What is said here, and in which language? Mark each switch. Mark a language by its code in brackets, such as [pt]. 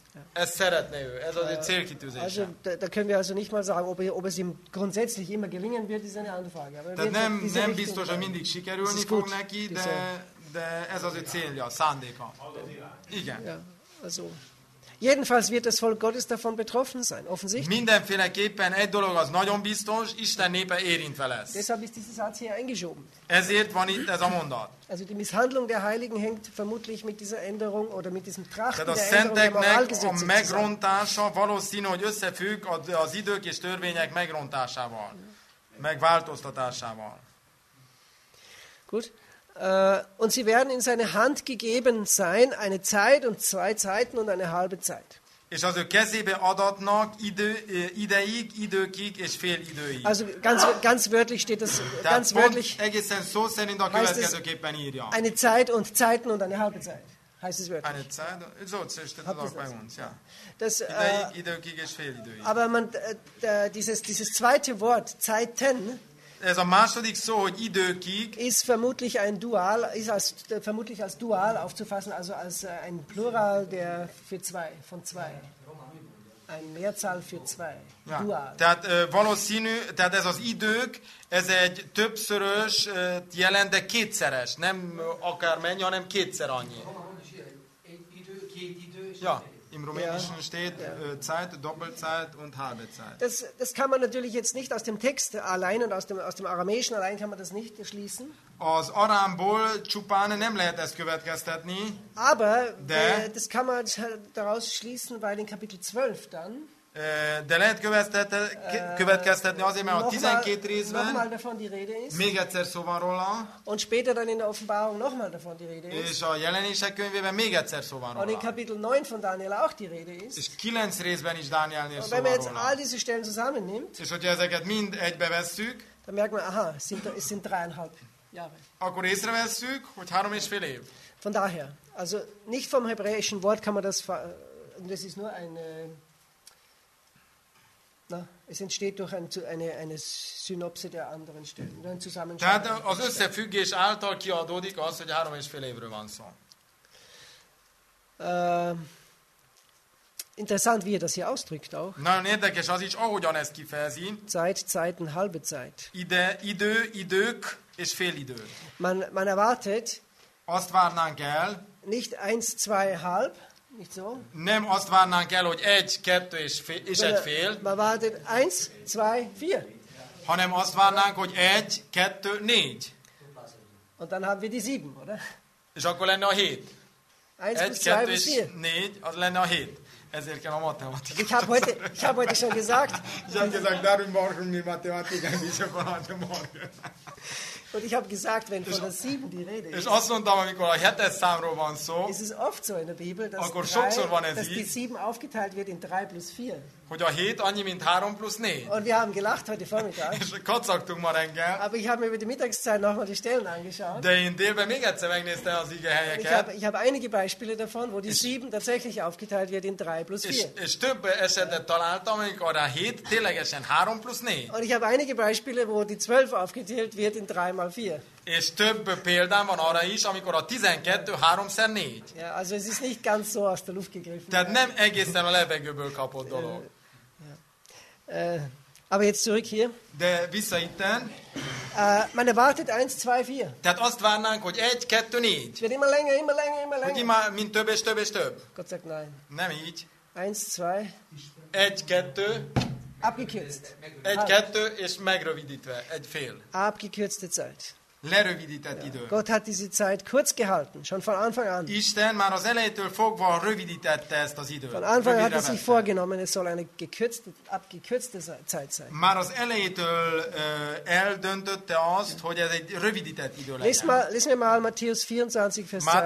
[hu] Ja. Es szeretne ő, ez az ő célkitűzése. [de] Also, da können wir also nicht mal sagen, ob es ihm grundsätzlich immer gelingen wird, ist eine andere Frage. [hu] Aber nem biztos, hogy mindig sikerülni fog neki, de ez az ő célja, szándéka. Igen. [de] Ja, also. Jedenfalls wird das Volk Gottes davon betroffen sein, offensichtlich. [hu] Mindenféleképpen egy dolog az nagyon biztos, Isten népe érintve lesz. [de] Deshalb ist dieses Satz hier eingeschoben. [hu] Ezért van itt ez a mondat. [de] Also die Misshandlung der Heiligen hängt vermutlich mit dieser Änderung oder mit diesem Trachten der Änderung der Moralgesetze zusammen. [hu] A megrontása valószínű, hogy összefügg az idők és törvények megrontásával, megváltoztatásával. [de] Gut. Und sie werden in seine Hand gegeben sein, eine Zeit und zwei Zeiten und eine halbe Zeit. [hu] És az ő kezébe adatnak ideig, időkig és fél időig. [de] Also ganz wörtlich steht das, ganz wörtlich [hu] egészen szó szerint a következőképpen írja. [de] Eine Zeit und Zeiten und eine halbe Zeit. Heißt es wörtlich. Eine Zeit, so steht das auch bei uns, ja. Das, [hu] ideig, időkig és fél időig. [de] Aber man, dieses zweite Wort, Zeiten, [hu] ez a második szó, hogy időkig. [de] Ist vermutlich ein Dual, ist als vermutlich als Dual aufzufassen, also als ein Plural der für zwei, von zwei. Ein Mehrzahl für zwei. Ja. Dual. [hu] Tehát valószínű, tehát ez az idők, ez egy többszörös jelent, de kétszeres. Nem akármennyi, hanem kétszer annyi. Egy idő, két idő. [de] Ja. Im Rumänischen steht Zeit, Doppelzeit und halbe Zeit. Das kann man natürlich jetzt nicht aus dem Text allein und aus dem Aramäischen allein kann man das nicht schließen. [hu] Az Arámból csupán nem lehet ezt következtetni. [de] Aber das kann man daraus schließen, weil in Kapitel 12 dann. [hu] De lehet következtetni azért, mert a 12 részben [de] nochmal davon die Rede ist, [hu] még egyszer szó van róla, [de] und später dann in der Offenbarung nochmal davon die Rede ist, [hu] és a Jelenések könyvében még egyszer szó van róla, [de] und in Kapitel 9 von Daniel auch die Rede ist, [hu] és 9 részben is Dánielnél szó van róla. [de] Wenn man jetzt all diese Stellen zusammennimmt, [hu] és hogyha ezeket mind egybe vesszük, [de] dann merkt man, aha, es sind 3,5 Jahre. [hu] Akkor észrevesszük, hogy 3,5 év. [de] Von daher, also nicht vom hebräischen Wort kann man das, das ist nur ein es entsteht durch eine Synopse der anderen Stellen, ein Zusammenschluss. [hu] Tehát az összefüggés által kiadódik az, hogy 3,5 évről van szó. [de] Interessant, wie er das hier ausdrückt auch. [hu] Nagyon érdekes az is, ahogyan ezt kifejezi. [de] Zeit, Zeiten, halbe Zeit. [hu] Idő, idők és fél idő. [de] Man erwartet. [hu] Azt várnánk el. [de] Nicht 1,5. Nicht so. [hu] Nem azt várnánk el, hogy 1, 2 és fél, egy fél. [de] Man wartet 1, 2, 4. [hu] Hanem azt várnánk, hogy 1, 2, 4. [de] Und dann haben wir die 7, oder? [hu] És akkor lenne a 7. 1, 2, 4. Az lenne a 7. Ezért kell a matematikát. [de] Ich habe heute schon gesagt. Ich habe gesagt, darum brauchen wir Mathematik, nicht so von heute morgen. Und ich habe gesagt, wenn von der 7 die Rede ist. [hu] És azt mondtam, amikor a 7-es számról van szó. [de] Es ist oft so in der Bibel, dass, [hu] akkor sokszor van ez [de] dass [hu] így, [de] die 7 aufgeteilt wird in 3 plus 4. [hu] Hogy a 7 annyi, mint 3 plusz 4. [de] Und wir haben gelacht heute Vormittag. [hu] És kacagtunk ma reggel. [de] Aber ich habe mir über die Mittagszeit nochmal die Stellen angeschaut. [hu] De én délben még egyszer megnéztem az ige helyeket. [de] Ich habe einige Beispiele davon, wo die 7 tatsächlich aufgeteilt wird in 3 plus 4. [hu] És több esetet találtam, amikor a 7 ténylegesen 3 plusz 4. [de] Und ich habe einige Beispiele, wo die 12 aufgeteilt wird in 3 mal 4. [hu] És több példám van arra is, amikor a 12 3-szer 4. [de] Ja, also es ist nicht ganz so aus der Luft gegriffen. [hu] Tehát nem egészen a levegőből kapott dolog. [de] Aber jetzt zurück hier. [hu] De vissza itten. [de] Man erwartet 1, 2, 4. [hu] Tehát azt várnánk, hogy 1, 2, 4. [de] Wird immer länger, immer länger, immer länger. [hu] Hogy immer, mint több és több és több. [de] Gott sagt nein. [hu] Nem így. 1, 2. 1, 2. [de] Abgekürzt. [hu] 1, 2 és megrövidítve, egy fél. [de] Abgekürzte Zeit. [hu] Lerövidített ja. Idő. [de] Gott hat diese Zeit kurz gehalten, schon von Anfang an. [hu] Isten már az elejétől fogva rövidítette ezt az időt. [de] Von Anfang an hat er sich vorgenommen, es soll eine gekürzte, abgekürzte Zeit sein. [hu] Már az elejétől eldöntötte azt, ja. Hogy ez egy rövidített idő legyen. [de] Lesz mir mal Matthäus 24, Vers 23.